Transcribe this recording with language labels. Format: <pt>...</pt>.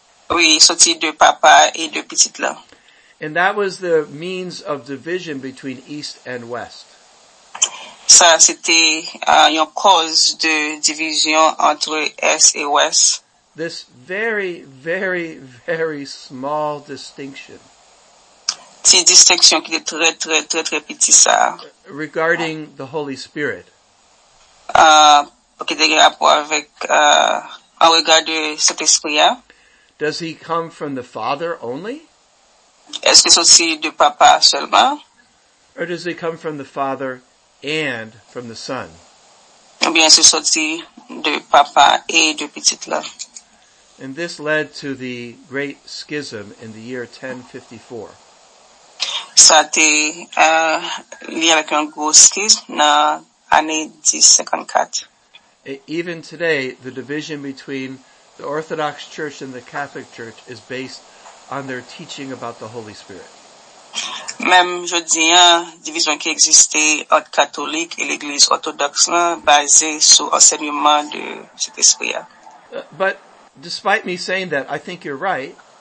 <fr>Oui, sorti de papa et de petite là.</fr> <en>And that was the means of division between East and West.</en> <fr>Ça, c'était une cause de division entre Est et Ouest.</fr> <en>This very, very, very small distinction.</en> <fr>Cette distinction qui est très, très, très, très petite, ça.</fr> <en>Regarding the Holy Spirit.</en> <fr>Qui a rapport avec, en regard de cet esprit, hein?</fr> <en>Does he come from the Father only?</en> <fr>Est-ce que c'est aussi du papa seulement?</fr> <en>Or does he come from the Father and from the Son?</en> <fr>Ou bien c'est sorti du papa et du petit là.</fr> <en>And this led to the great schism in the year 1054.</en> <fr>Ça a été lié avec un gros schisme dans l'année 1054.</fr> <en>Even today, the division between the Orthodox Church and the Catholic Church is based on their teaching about the Holy Spirit.</en> <fr>Même je dis un division qui existait entre catholiques et l'Église orthodoxe basée sur l'enseignement de cet esprit.</fr> <en>But despite me saying that, I think you're right.</en>